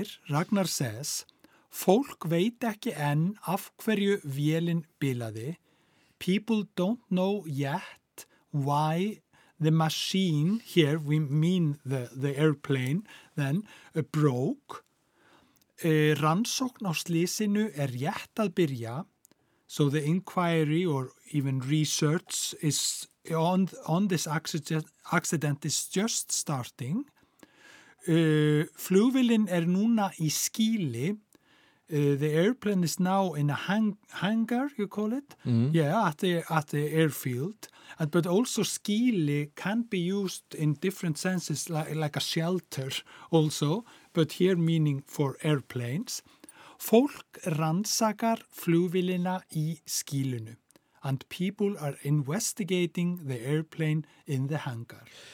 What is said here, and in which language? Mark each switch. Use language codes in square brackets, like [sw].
[is] Ragnar says, fólk veit ekki enn af hverju vélin bilaði. [en] People don't know yet why the machine here, we mean the airplane, then broke. [is] Rannsókn á slysinu er rétt að byrja. [en] So the inquiry or even research is on this accident is just starting. [is] Flugvélin er núna í skýli. [en] The airplane is now in a hangar, you call it? Mm-hmm. Yeah, at the airfield. But also skýli can be used in different senses, like a shelter also, but here meaning for airplanes. [is] Fólk rannsakar flugvélina í skýlinu [en] and people are investigating the airplane in the hangar.